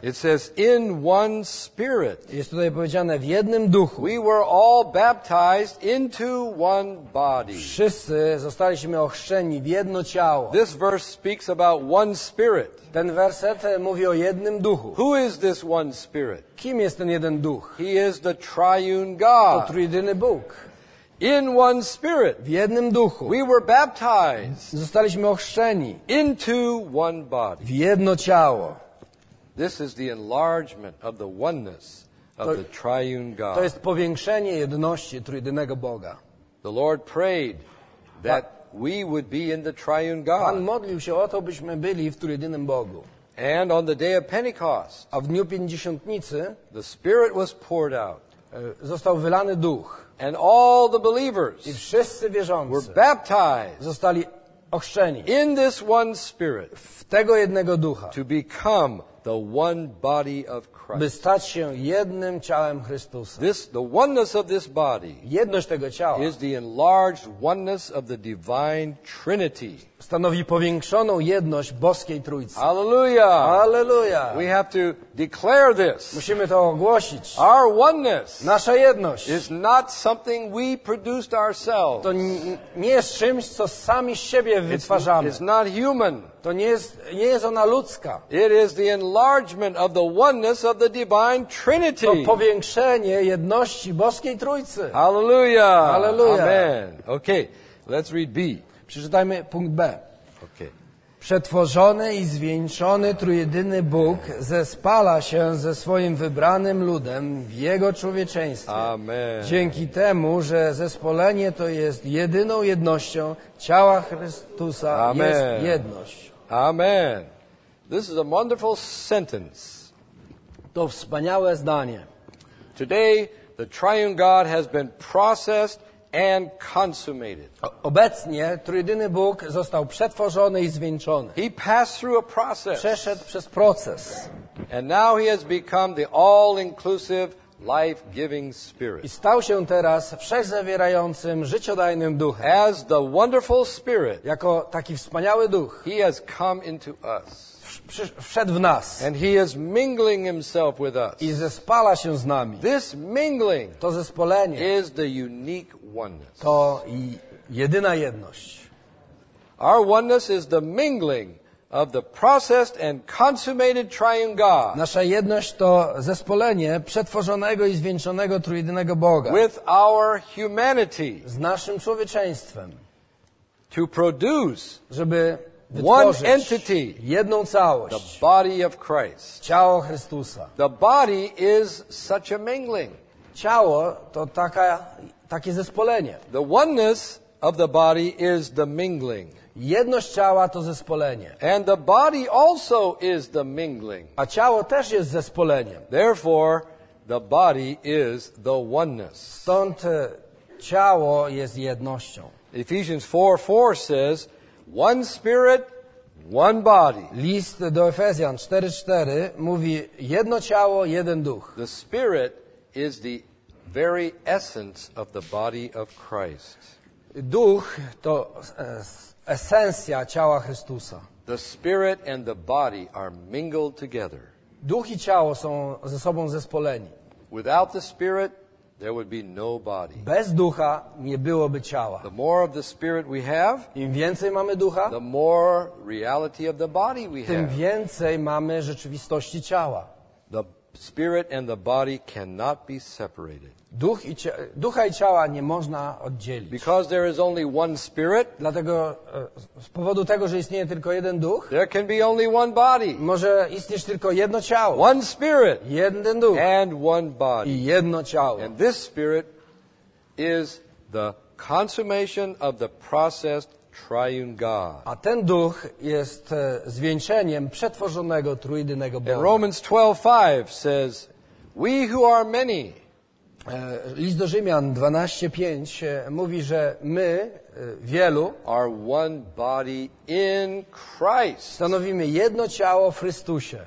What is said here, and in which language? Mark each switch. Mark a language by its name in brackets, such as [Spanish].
[English] It says in one spirit. [Polish] Jest tutaj powiedziane w jednym duchu. [English] We were all baptized into one body. [Polish] Wszyscy zostaliśmy ochrzczeni w jedno ciało. [English] This verse speaks about one spirit. [Polish] Ten werset mówi o jednym duchu. [English] Who is this one spirit? [Polish] Kim jest ten jeden duch? [English] He is the triune God. [Polish] To trójjedyny Bóg. [English] In one spirit. [Polish] W jednym duchu. [English] We were baptized. [Polish] Zostaliśmy ochrzczeni. [English] Into one body. [Polish] W jedno ciało. [English] This is the enlargement of the oneness of the triune God. [Polish] To jest powiększenie jedności trójjedynego Boga. [English] The Lord prayed that we would be in the triune God. [Polish] Pan modlił się o to, byśmy byli w trójjedynym Bogu. [English] And on the day of Pentecost. [Polish] A w dniu Pięćdziesiątnicy. [English] The Spirit was poured out. [Polish] Został wylany duch. [English] And all the believers [Polish] i wszyscy wierzący [English] were baptized [Polish] zostali ochrzczeni [English] in this one spirit [Polish] w tego jednego ducha [English] to become the one body of Christ. [Polish] By stać się jednym ciałem Chrystusa. [English] This, the oneness of this body [Polish] jedność tego ciała [English] is the enlarged oneness of the divine Trinity. [Polish] Stanowi powiększoną jedność boskiej Trójcy. [English] Hallelujah. [Polish] Hallelujah. [English] We have to declare this. [Polish] Musimy to ogłosić. [English] Our oneness [Polish] nasza jedność [English] is not something we produced ourselves. [Polish] To nie jest czymś, co sami siebie wytwarzamy. [English] It's not human. [Polish] To nie jest ona ludzka. [English] It is the enlargement of the oneness of the divine Trinity. [Polish] To powiększenie jedności boskiej Trójcy. [English] Hallelujah. [Polish] Hallelujah. [English] Amen. Okay. Let's read B. [Polish] Przeczytajmy punkt B. [English] Okay. [Polish] Przetworzony i zwieńczony trójjedyny Bóg zespala się ze swoim wybranym ludem w jego człowieczeństwie. [English] Amen. [Polish] Dzięki temu, że zespolenie to jest jedyną jednością ciała Chrystusa. [English] Amen. [Polish] Jest jedność. [English] Amen. This is a wonderful sentence. [Polish] To wspaniałe zdanie. [English] Today the triune God has been processed and consummated. [Polish] Obecnie trójjedyny Bóg został przetworzony i zwieńczony. [English] He passed through a process. [Polish] Przeszedł przez proces. [English] And now he has become the all-inclusive, life-giving spirit. [Polish] I stał się teraz wszechzawierającym, życiodajnym duchem. [English] As the wonderful spirit. [Polish] Jako taki wspaniały duch. [English] He has come into us. [Polish] Wszedł w nas. [English] And he is mingling himself with us. [Polish] I zespala się z nami. [English] This mingling, [Polish] to zespolenie, [English] is the unique oneness. [Polish] To jedyna jedność. [English] Our oneness is the mingling of the processed and consummated triune God. [Polish] Nasza jedność to zespolenie przetworzonego i zwieńczonego trójjedynego Boga. [English] With our humanity. [Polish] Z naszym człowieczeństwem. [English] To produce, [Polish] żeby [English] one entity, [Polish] jedną całość, [English] the body of Christ, [Polish] ciało Chrystusa. [English] The body is such a mingling. [Polish] Ciało to takie zespolenie. [English] The oneness of the body is the mingling. [Polish] Jedność ciała to zespolenie. [English] And the body also is the mingling. [Polish] A ciało też jest zespoleniem. [English] Therefore, the body is the oneness. [Polish] Stąd ciało jest jednością. [English] Ephesians 4:4 says, one spirit, one body. [Polish] List do Efezjan 4:4 mówi jedno ciało, jeden duch. [English] The spirit is the very essence of the body of Christ. [Polish] Duch to esencja ciała Chrystusa. [English] The spirit and the body are mingled together. [Polish] Duch i ciało są ze sobą zespoleni. [English] Without the spirit, there would be no body. [Polish] Bez ducha nie byłoby ciała. [English] The more of the spirit we have, [Polish] im więcej mamy ducha, [English] the more reality of the body we [Polish] tym [English] have. [Polish] Więcej mamy rzeczywistości ciała. [English] The spirit and the body cannot be separated. [Polish] Ducha i ciała nie można oddzielić. [English] Because there is only one spirit, [Polish] dlatego z powodu tego, że istnieje tylko jeden duch, [English] there can be only one body. [Polish] Może istnieć tylko jedno ciało. [English] One spirit, [Polish] jeden duch, [English] and one body. [Polish] I jedno ciało. [English] And this spirit is the consummation of the processed triune God. [Polish] A ten duch jest zwieńczeniem przetworzonego trójjedynego Boga. [English] Romans 12:5 says, we who are many. [Polish] List do Rzymian 12:5 mówi, że my, wielu, [English] are one body in Christ. [Polish] Stanowimy jedno ciało w Chrystusie.